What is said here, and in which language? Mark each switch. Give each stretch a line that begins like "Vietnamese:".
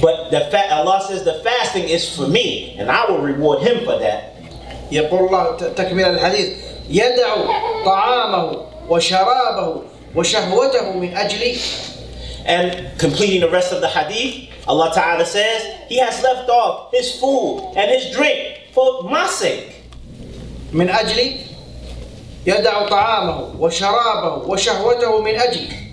English: But the Allah says the fasting is for me, and I will reward him for that.
Arabic: يقول الله تكمل الحديث يدع طعامه وشرابه وشهوته من أجلي.
English: And completing the rest of the hadith, Allah Ta'ala says, he has left off his food and his drink for my sake.
Arabic: من أجلي يدع طعامه وشرابه وشهوته من أجلي.